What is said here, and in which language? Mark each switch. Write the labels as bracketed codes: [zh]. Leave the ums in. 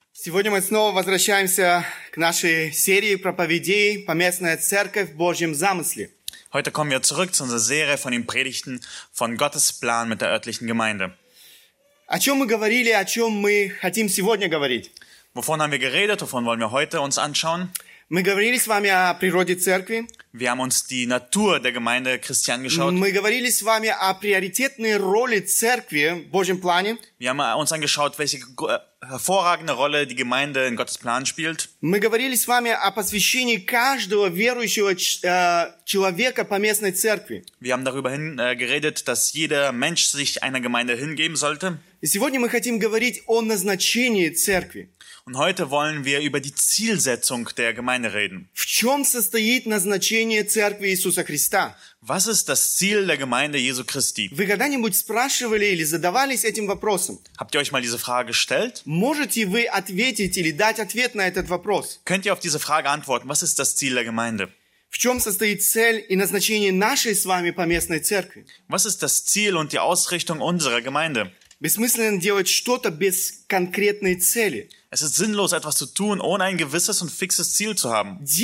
[ru] Сегодня мы снова возвращаемся к нашей серии проповедей «Поместная церковь в Божьем замысле». [de] Heute kommen wir zurück zu unserer Serie von den Predigten von Gottes Plan mit der örtlichen Gemeinde. [ru] О чем мы говорили, о чем мы хотим сегодня говорить? [de] Wovon haben wir geredet, wovon wollen wir heute uns anschauen? [ru] Мы говорили с вами о природе церкви. [de] Wir haben uns die Natur der Gemeinde Christian geschaut. [ru] Мы говорили с вами о приоритетной роли церкви в Божьем плане. [de] Wir haben uns angeschaut, welche hervorragende Rolle die Gemeinde in Gottes Plan spielt. [ru] Мы говорили с вами о посвящении каждого верующего äh, человека по местной церкви. [de] Wir haben darüber hin, äh, geredet, dass jeder Mensch sich einer Gemeinde hingeben sollte. [ru] И сегодня мы хотим говорить о назначении церкви. [de] Und heute wollen wir über die Zielsetzung der Gemeinde reden. [ru] В чём состоит назначение церкви Иисуса Христа? [de] Was ist das Ziel der Gemeinde Jesu Christi? [ru] Вы когда-нибудь спрашивали или задавались этим вопросом? [de] Habt ihr euch mal diese Frage gestellt? [ru] Можете вы ответить или дать ответ на этот вопрос? [de] Könnt ihr auf diese Frage antworten? Was ist das Ziel der Gemeinde? [ru] В чем состоит цель и назначение нашей с вами поместной церкви? [de] Was ist das Ziel und die Ausrichtung unserer Gemeinde? [ru] Бессмысленно делать что-то без конкретной цели. [de] Es ist sinnlos, etwas zu tun, ohne ein gewisses und fixes Ziel zu haben.